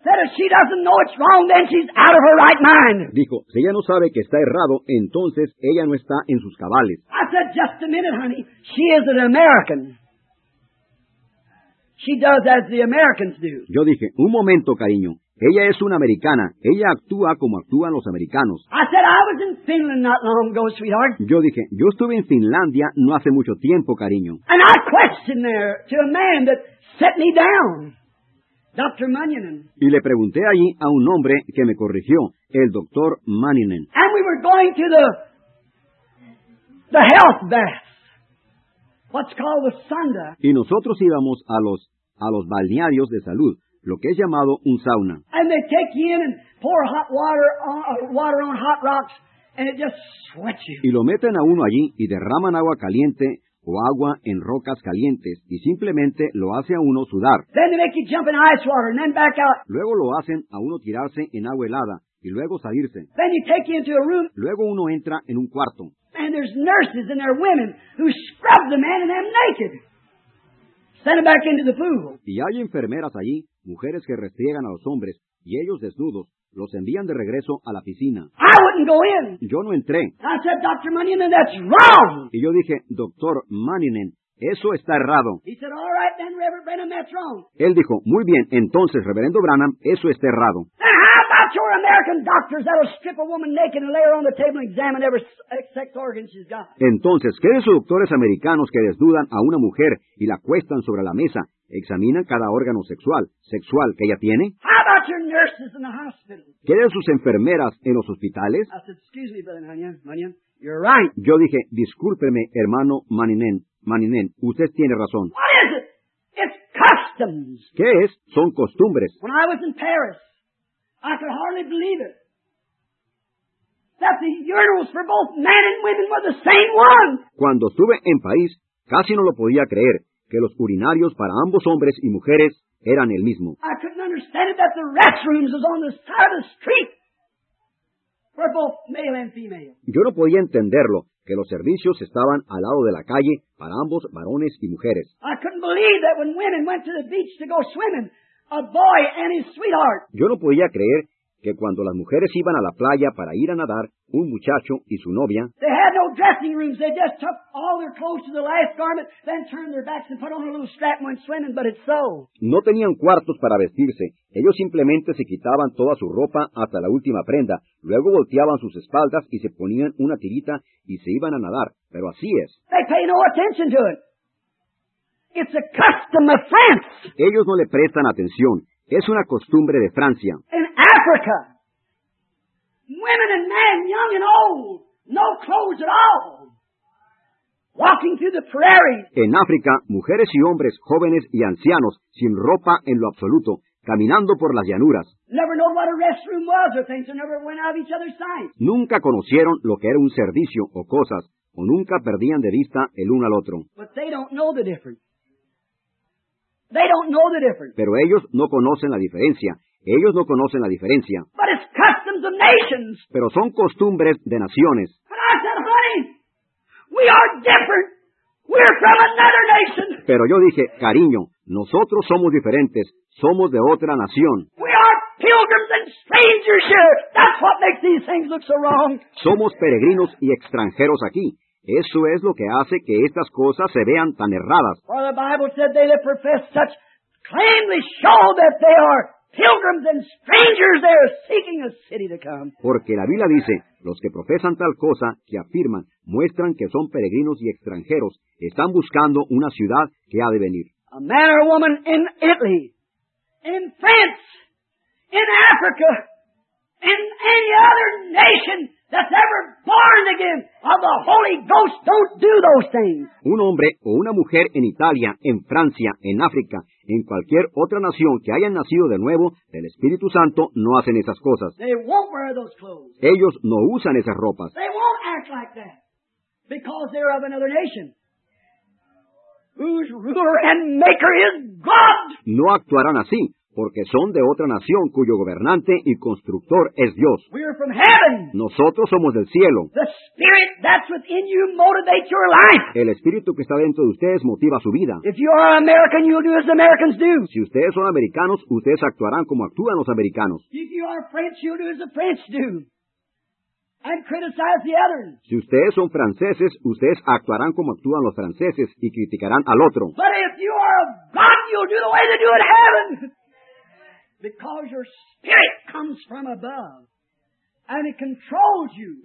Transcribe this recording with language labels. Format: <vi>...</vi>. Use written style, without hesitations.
<en>Said, "If she doesn't know it's wrong, then she's out of her right mind."</en> <es>Dijo, "Si ella no sabe que está errado, entonces ella no está en sus cabales."</es> <en>I said, "Just a minute, honey. She is an American. She does as the Americans do."</en> <es>Yo dije, "Un momento, cariño. Ella es una americana. Ella actúa como actúan los americanos."</es> <en>I said, "I was in Finland not long ago, sweetheart."</en> <es>Yo dije, "Yo estuve en Finlandia no hace mucho tiempo, cariño."</es> <en>And I questioned there to a man that set me down, Dr. Manninen.</en> <es>Y le pregunté allí a un hombre que me corrigió, el Dr. Manninen.</es> <en>And we were going to the health baths, what's called the sunda.</en> <es>Y nosotros íbamos a los balnearios de salud. Lo que es llamado un sauna.</es> <en>And they take you in and pour hot water on, hot rocks, and it just sweats you.</en> <es>Y lo meten a uno allí y derraman agua caliente o agua en rocas calientes y simplemente lo hace a uno sudar.</es> <en>Then they make you jump in ice water and then back out.</en> <es>Luego lo hacen a uno tirarse en agua helada y luego salirse.</es> <en>Then you take you into a room.</en> <es>Luego uno entra en un cuarto.</es> <en>And there's nurses and there are women who scrub the man and they're naked. Send them back into the pool.</en> <es>Y hay enfermeras allí, mujeres que restriegan a los hombres, y ellos desnudos, los envían de regreso a la piscina.</es> <en>I wouldn't go in.</en> <es>Yo no entré.</es> <en>I said, Dr. Manninen, that's wrong.</en> <es>Y yo dije, Dr. Manninen, eso está errado.</es> <en>He said, all right, then, Reverend Branham, that's wrong.</en> <es>Él dijo, muy bien, entonces, Reverendo Branham, eso está errado.</es> <en>Your American doctors that'll strip a woman naked and lay her on the table and examine every sex organ she's got.</en> <es>Entonces, ¿qué de esos doctores americanos que desnudan a una mujer y la acuestan sobre la mesa, examinan cada órgano sexual que ella tiene?</es> <en>How about your nurses in the hospital?</en> <es>¿Qué de sus enfermeras en los hospitales?</es> <en>I said, excuse me, Brother Manninen, you're right.</en> <es>Yo dije, discúlpeme, hermano Manninen, usted tiene razón.</es> <en>What is it? It's customs.</en> <es>¿Qué es? Son costumbres.</es> <en>When I was in Paris, I could hardly believe it. That the urinals for both men and women were the same one.</en> <es>Cuando estuve en París, casi no lo podía creer, que los urinarios para ambos hombres y mujeres eran el mismo.</es> <en>I couldn't understand it that the restrooms was on the side of the street for both male and female.</en> <es>Yo no podía entenderlo, que los servicios estaban al lado de la calle para ambos varones y mujeres.</es> <en>I couldn't believe that when women went to the beach to go swimming, a boy and his sweetheart.</en> <es>Yo no podía creer que cuando las mujeres iban a la playa para ir a nadar, un muchacho y su novia,</es> <en>they had no dressing rooms. They just took all their clothes to the last garment, then turned their backs and put on a little strap and went swimming, but it's so.</en> <es>No tenían cuartos para vestirse. Ellos simplemente se quitaban toda su ropa hasta la última prenda. Luego volteaban sus espaldas y se ponían una tirita y se iban a nadar. Pero así es.</es> <en>They pay no attention to it. It's a custom of France.</en> <es>Ellos no le prestan atención. Es una costumbre de Francia.</es> <en>In Africa, women and men, young and old, no clothes at all, walking through the prairies.</en> <es>En África, mujeres y hombres, jóvenes y ancianos, sin ropa en lo absoluto, caminando por las llanuras.</es> <en>Never know what a restroom was or things, or never went out of each other's sight.</en> <es>Nunca conocieron lo que era un servicio o cosas, o nunca perdían de vista el uno al otro.</es> <en>But they don't know the difference. They don't know the difference.</en> <es>Pero ellos no conocen la diferencia. Ellos no conocen la diferencia.</es> <en>But it's customs of nations.</en> <es>Pero son costumbres de naciones.</es> <en>And I said, honey, we are different. We're from another nation.</en> <es>Pero yo dije, cariño, nosotros somos diferentes. Somos de otra nación.</es> <en>We are pilgrims and strangers here. That's what makes these things look so wrong.</en> <es>Somos peregrinos y extranjeros aquí. Eso es lo que hace que estas cosas se vean tan erradas.</es> <en>For the Bible said they that profess such plainly show that they are pilgrims and strangers there seeking a city to come.</en> <es>Porque la Biblia dice, los que profesan tal cosa, que afirman, muestran que son peregrinos y extranjeros, están buscando una ciudad que ha de venir.</es> <en>A man or a woman in Italy, in France, in Africa, in any other nation that's ever born again of the Holy Ghost don't do those things.</en> <es>Un hombre o una mujer en Italia, en Francia, en África, en cualquier otra nación que hayan nacido de nuevo del Espíritu Santo no hacen esas cosas.</es> <en>They won't wear those clothes.</en> <es>Ellos no usan esas ropas.</es> <en>They won't act like that because they're of another nation whose ruler and maker is God.</en> <es>No actuarán así porque son de otra nación cuyo gobernante y constructor es Dios.</es> <en>We are from heaven.</en> <es>Nosotros somos del cielo.</es> <en>The spirit that's within you motivates your life.</en> <es>El espíritu que está dentro de ustedes motiva su vida.</es> <en>If you are American, you'll do as Americans do.</en> <es>Si ustedes son americanos, ustedes actuarán como actúan los americanos.</es> <en>If you are French, you'll do as the French do. And criticize the others.</en> <es>Si ustedes son franceses, ustedes actuarán como actúan los franceses y criticarán al otro.</es> <en>But if you are of God, you'll do the way they do in heaven. Because your spirit comes from above, and it controls you.</en>